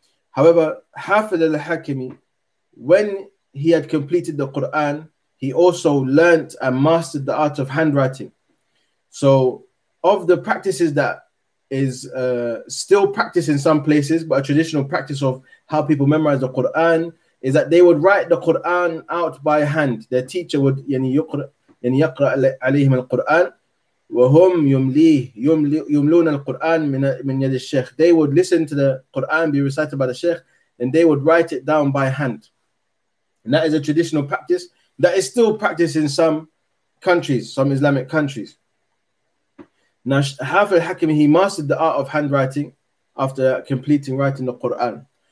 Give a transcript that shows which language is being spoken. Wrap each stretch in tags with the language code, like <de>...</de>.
<en>However, Hafidh Al-Hakami, when he had completed the Quran, he also learnt and mastered the art of handwriting. So of the practices that is still practiced in some places, but a traditional practice of how people memorize the Quran, is that they would write the Quran out by hand. Their teacher would</en> <ar>يقرأ عليهم القرآن وهم يملون القرآن من يد الشيخ.</ar> <en>They would listen to the Quran be recited by the Sheikh, and they would write it down by hand. And that is a traditional practice that is still practiced in some countries, some Islamic countries. Now, Hafidh al-Hakami, he mastered the art of handwriting after completing writing the Quran.</en>